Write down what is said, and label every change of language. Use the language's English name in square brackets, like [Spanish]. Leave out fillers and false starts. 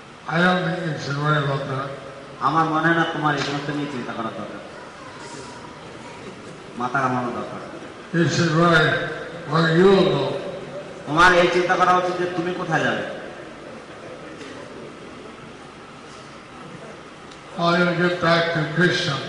[English] I don't think you should worry about that. [Bangla] আমার মনে হয় না তোমার এই জন্য তুমি চিন্তা করার দরকার, মাথা ঘামানোর দরকার। [English] You should worry where you will go. [Bangla] তোমার এই চিন্তা করা উচিত যে তুমি কোথায় যাবে। [English] How you get back to Krishna?